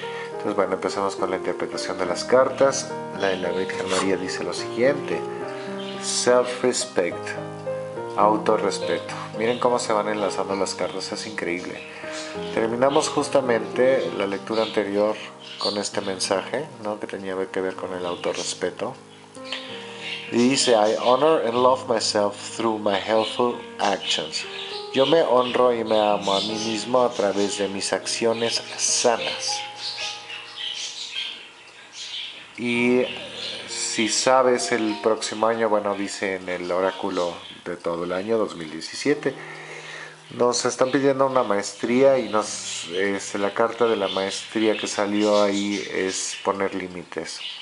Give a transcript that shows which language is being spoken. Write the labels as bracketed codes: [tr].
[es] Entonces, bueno, empezamos con la interpretación de las cartas. La de la Virgen María dice lo siguiente: self-respect, autorrespeto. Miren cómo se van enlazando las cartas, es increíble. Terminamos justamente la lectura anterior con este mensaje, ¿no?, que tenía que ver con el autorrespeto. Y dice: [en] I honor and love myself through my helpful actions. [es] Yo me honro y me amo a mí mismo a través de mis acciones sanas. Y si sabes, el próximo año, bueno, dice en el oráculo de todo el año 2017, nos están pidiendo una maestría y la carta de la maestría que salió ahí es poner límites.